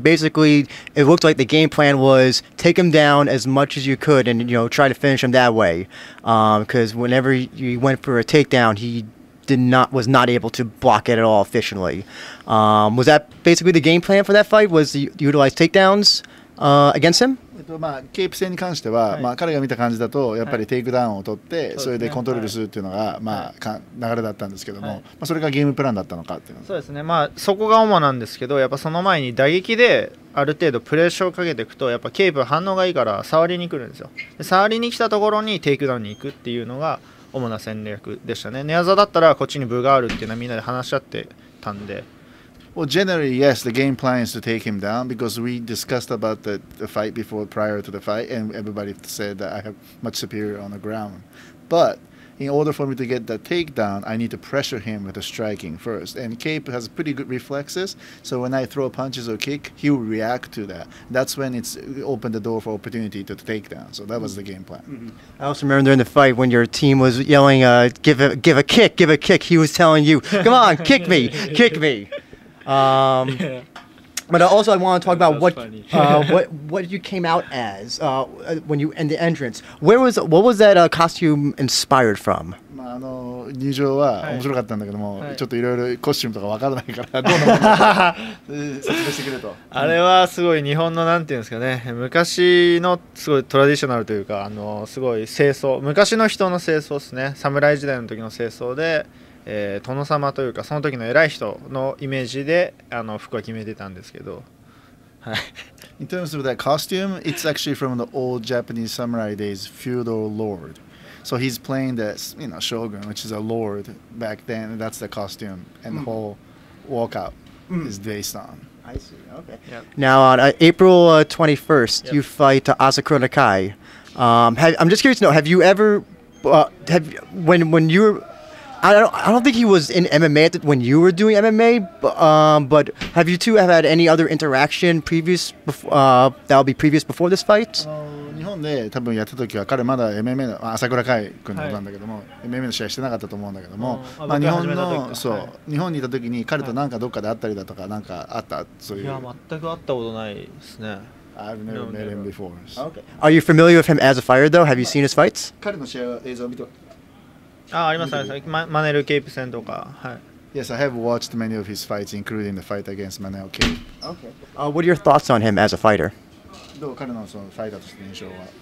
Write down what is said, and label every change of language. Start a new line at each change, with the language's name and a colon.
English: Basically, it looked like the game plan was take him down as much as you could and you know try to finish him that way. Because whenever he went for a takedown, he was not able to block it at all efficiently. Was that basically the game plan for that fight? Was to utilize takedowns against him?
Japanese: まあ、ケープ戦に関しては、はいまあ、彼が見た感じだとやっぱりテイクダウンを取って、はい、それでコントロールするっていうのが、はいまあ、流れだったんですけども、はいまあ、それがゲームプランだったのかっていうのそうですね、まあ、そこが主なんですけどやっぱその前に打撃である程度プレッシャーをかけていくとやっぱケープは反応がいいから触りに来るんですよで触りに来たところにテイクダウンに行くっていうのが主な戦略でしたね寝技だったらこっちに分があるっていうのはみんなで話し合ってたんで
English: Well, generally, yes, the game plan is to take him down because we discussed about the fight before, prior to the fight, and everybody said that I have much superior on the ground. But in order for me to get that takedown, I need to pressure him with the striking first. And Cape has pretty good reflexes, so when I throw punches or kick, he will react to that. That's when it's opened the door for opportunity to take down. So that was the game plan. Mm-hmm. I also remember during the fight when your team was yelling, give a kick, give a kick. He was telling you, come on, kick me, kick me. But also I want to talk about what you came out as when you in the entrance. What was that costume inspired from?
Japanese: まああの入場は面白かったんだけども、はい、ちょっといろいろコスチュームとかわからないからどうなの説明してくれと。あれはすごい日本のなんていうんですかね、昔のすごいトラディショナルというか、あのすごい正装、昔の人の正装ですね。侍時代の時の正装で。殿様というかその時の偉い人のイメージであの服は決めてたんですけど、
English: はい。In terms of that costume, it's actually from the old Japanese samurai days, feudal lord. So he's playing the, you know, shogun, which is a lord back then. That's the costume, and the whole walkout is based on. I see. Okay. Now on April 21st, you fight Asakura Nakai. I'm just curious to know, have you ever, when you were I don't think he was in MMA when you were doing MMA, but have you two have had any other interaction previous that would be previous before this fight?
Japanese: 日本で多分やった時は彼まだ MMA の朝倉海君なんだけども、はい、MMA の試合してなかったと思うんだけども、まあ日本のそう、はい、日本にいた時に彼となんかどっかで会ったりだとかなんかあったそういう、いや全く会ったことないですね。
English: I've never met him before. So. Okay. Are you familiar with him as a fighter though? Have you seen his fights?
Japanese: 彼の試合は映像を見て。あ、あります、あります。マネル・ケープ戦とか、はい。
English: Yes, I have watched many of his fights, including the fight against Manel Cape. Okay. What are your thoughts on him as a fighter?
Japanese: どう、彼のそのファイターとしての印象は？